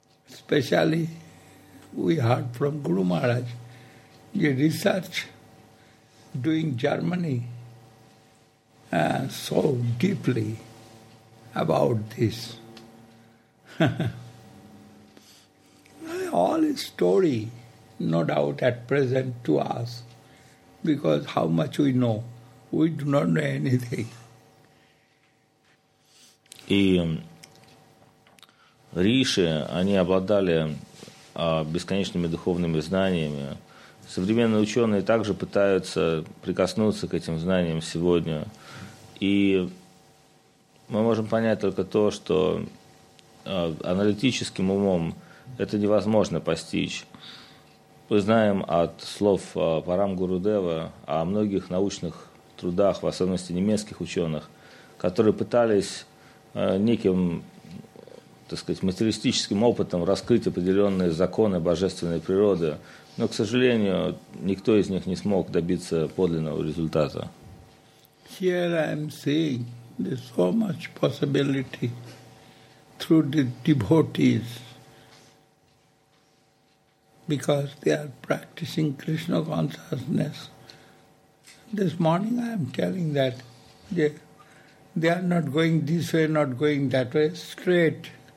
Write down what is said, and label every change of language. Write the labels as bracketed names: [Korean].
[English] Especially, we heard from Guru Maharaj, the research doing Germany so deeply about this. All is story, no doubt, at present to us, because how much we know, we do not know anything. [Russian] И риши, они обладали бесконечными духовными знаниями. Современные ученые также пытаются прикоснуться к этим знаниям сегодня. И мы можем понять только то, что аналитическим умом это невозможно постичь. Мы знаем от слов Парам Гурудева о многих научных трудах, в особенности немецких ученых, которые пытались неким, так сказать, материалистическим опытом раскрыть определенные законы божественной природы, но, к сожалению, никто из них не смог добиться подлинного результата. [English] Here I am seeing there's so much possibility through the devotees because they are practicing Krishna consciousness. This morning I am telling that they are not going this way, not going that way, straight.